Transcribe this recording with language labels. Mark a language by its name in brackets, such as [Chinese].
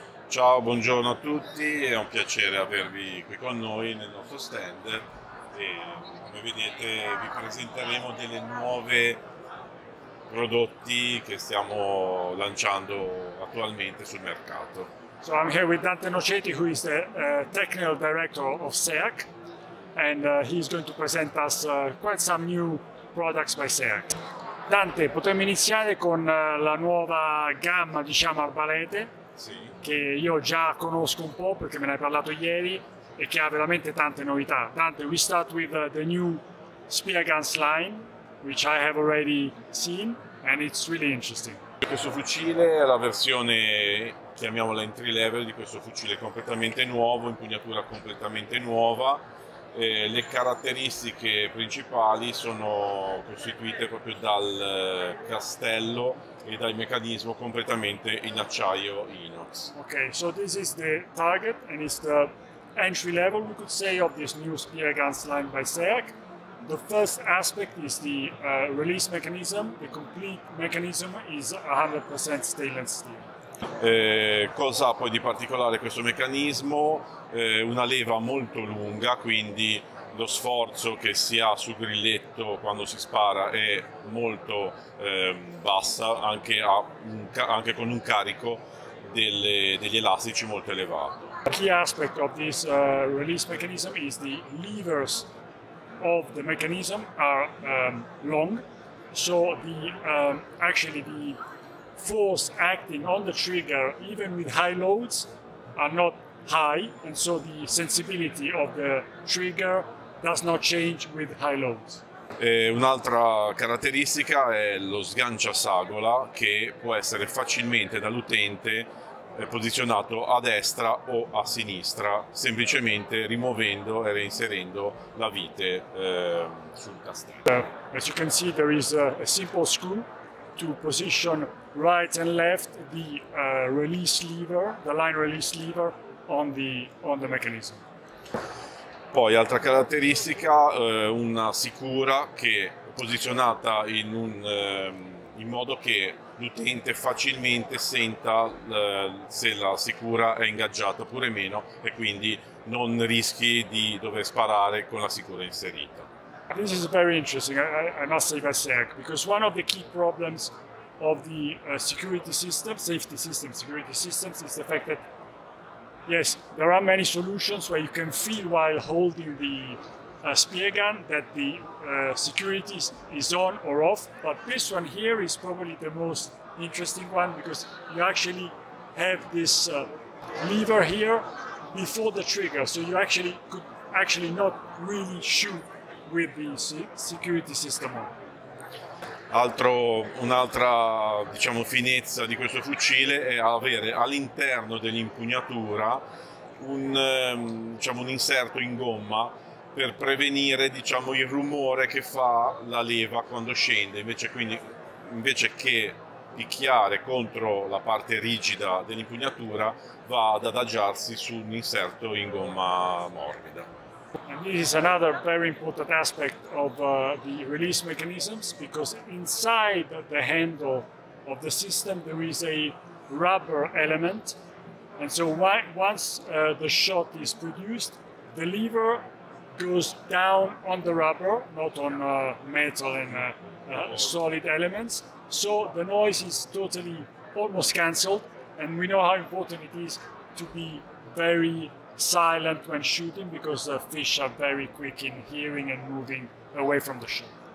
[Italian] Ciao, buongiorno a tutti, è un piacere avervi qui con noi nel nostro stand e come vedete vi presenteremo delle nuove prodotti che stiamo lanciando attualmente sul mercato. [English] So I'm here with Dante Nocetti, who is the technical director of SEAC, and he's going to present us quite some new products by SEAC. [Italian] Dante, potremmo iniziare con la nuova gamma, diciamo, arbalete? Sì. Che io già conosco un po' perché me ne hai parlato ieri e che ha veramente tante novità. [English] Dante, we start with the new spear guns line, which I have already seen, and it's really interesting. [Italian] Questo fucile è la versione, chiamiamola entry level, di questo fucile completamente nuovo, impugnatura completamente nuova. Le caratteristiche principali sono costituite proprio dal castello e dal meccanismo completamente in acciaio inox. [English] Ok, so this is the target and it's the entry level, we could say, of this new spear guns line by SEAC. The first aspect is the release mechanism. The complete mechanism is 100% stainless steel. [Italian] Cosa poi di particolare questo meccanismo? Una leva molto lunga, quindi lo sforzo che si ha sul grilletto quando si spara è molto bassa, anche con un carico degli elastici molto elevato. [English] A key aspect of this release mechanism is the levers of the mechanism are long, so the actually the force acting on the trigger even with high loads are not high, and so the sensibility of the trigger does not change with high loads. [Italian] Un'altra caratteristica è lo sgancia sagola, che può essere facilmente dall'utente posizionato a destra o a sinistra, semplicemente rimuovendo e reinserendo la vite sul castello. [English] As you can see, there is a simple screw to position right and left the release lever, the line release lever on the mechanism. [Italian] Poi altra caratteristica, una sicura che è posizionata in modo che l'utente facilmente senta se la sicura è ingaggiata oppure meno, e quindi non rischi di dover sparare con la sicura inserita. [English] This is very interesting, I must say, by SEAC, because one of the key problems of the security system, safety system, security systems, is the fact that yes, there are many solutions where you can feel while holding the spear gun that the security is on or off, but this one here is probably the most interesting one because you actually have this lever here before the trigger, so you actually could actually not really shoot with the security system on. [Italian] Un'altra, diciamo, finezza di questo fucile è avere all'interno dell'impugnatura un inserto in gomma per prevenire, diciamo, il rumore che fa la leva quando scende, invece che picchiare contro la parte rigida dell'impugnatura, va ad adagiarsi su un inserto in gomma morbida. [English] And this is another very important aspect of the release mechanisms, because inside the handle of the system there is a rubber element, and so once the shot is produced, the lever goes down on the rubber, not on metal and solid elements, so the noise is totally almost cancelled, and we know how important it is to be very silent when shooting, because the fish are very quick in hearing and moving away from the shot.